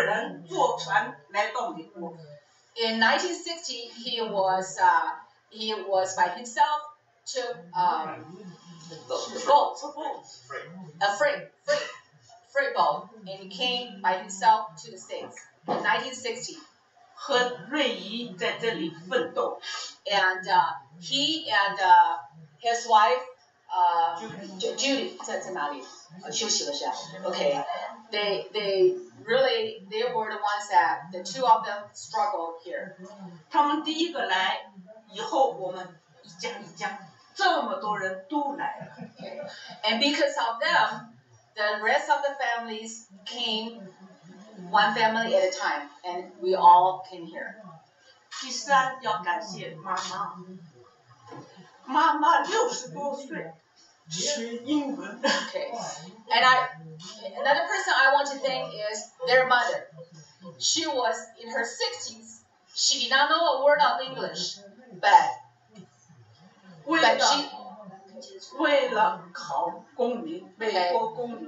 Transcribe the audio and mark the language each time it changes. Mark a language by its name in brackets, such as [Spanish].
[Chinese] 他1960年一个人坐船来到美国。 [English] In 1960, he was by himself to a freight boat, and he came by himself to the States in 1960. [Chinese] 和瑞姨在这里奋斗。 [English] And he and his wife, Judy, [Chinese] 在哪里？休息了是吧？ [English] Okay. They were the ones that the two of them struggled here. [Chinese] 他们第一个来，以后我们一家一家。 [English] And because of them, the rest of the families came one family at a time, and we all came here. [Chinese] 第三，要感谢妈妈。妈妈六十多岁，学英文. [English] Okay. And I, another person I want to thank is their mother. She was in her 60s. She did not know a word of English, but [Chinese] 为了考公民，美国公民.